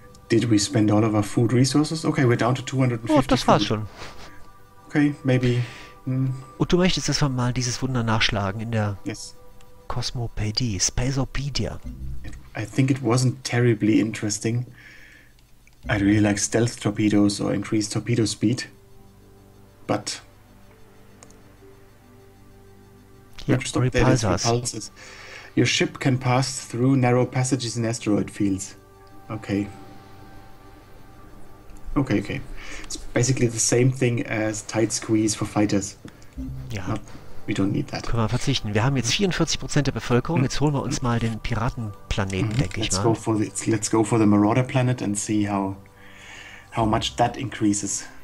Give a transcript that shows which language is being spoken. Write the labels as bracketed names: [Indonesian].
[English] Did we spend all of our food resources? Okay, we're down to 250. [German] Oh, das war's schon. [English] Okay, maybe. [German] Und du möchtest, dass wir mal dieses Wunder nachschlagen in der. [English] Yes. Cosmopedia, Spaceopedia. I think it wasn't terribly interesting. I really like stealth torpedoes or increased torpedo speed. But repulsors. Your ship can pass through narrow passages in asteroid fields. Okay. Okay, okay. It's basically the same thing as tight squeeze for fighters. [German] Ja. [English] We don't need that. [German] Können wir verzichten. Wir haben jetzt 44% der Bevölkerung. Jetzt holen wir uns mal den Piratenplaneten, denke ich mal. [English] Let's go for the Marauder planet and see how much that increases.